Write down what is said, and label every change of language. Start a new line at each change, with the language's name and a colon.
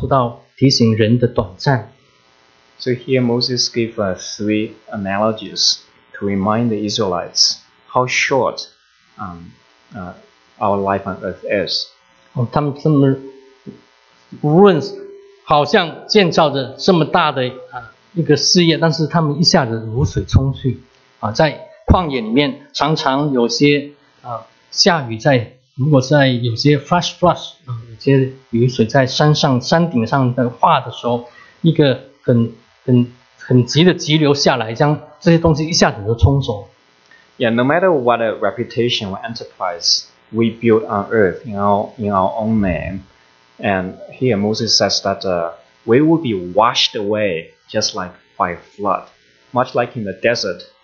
Chinese: 但是摩西在这里给了三个比喻，提醒在他带着这些以色列人在旷野里面所看见旷野的经历，给以色列人再提醒三个比喻，告诉到提醒人的短暂。
English: So here Moses gave three analogies to remind the Israelites how short our life on earth is.
Chinese: 他们无论好像建造着这么大的一个事业，但是他们一下子如水冲去，在旷野里面常常有些下雨，如果在有些 flash，有些雨水在山上山顶上的话的时候，一个很急的急流下来，将这些东西一下子都冲走。
English: Yeah, no matter what a reputation or enterprise we build on earth in our own name, and here Moses says that we will be washed away just like by flood, much like in the desert.